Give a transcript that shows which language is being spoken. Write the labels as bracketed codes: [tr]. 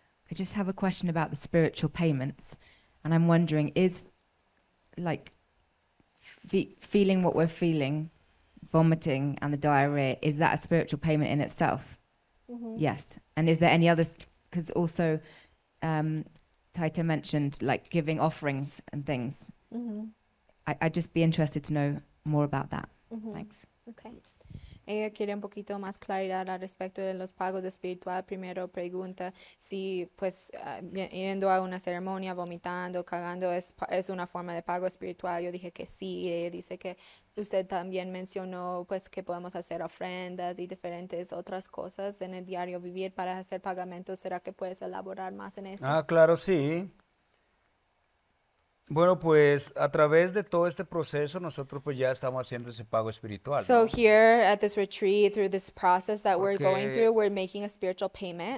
[en] I just have a question about the spiritual payments, and I'm wondering, is, like, feeling what we're feeling, vomiting and the diarrhea, is that a spiritual payment in itself? Mm-hmm. Yes. And is there any others? Because also, Taita mentioned, like, giving offerings and things. Mm-hmm. I'd just be interested to know more about that. Mm-hmm. Thanks. Okay. [es] Ella quiere un poquito más claridad al respecto de los pagos espirituales. Primero pregunta si, pues, yendo a una ceremonia, vomitando, cagando, es una forma de pago espiritual. Yo dije que sí. Ella dice que usted también mencionó, pues, que podemos hacer ofrendas y diferentes otras cosas en el diario vivir para hacer pagamentos. ¿Será que puedes elaborar más en eso? Ah, claro, sí. Bueno, pues a través de todo este proceso nosotros pues ya estamos haciendo ese pago espiritual. [en] So [es] ¿no? [en] here at this retreat, through this process that [es] porque, [en] we're going through, we're making a spiritual payment.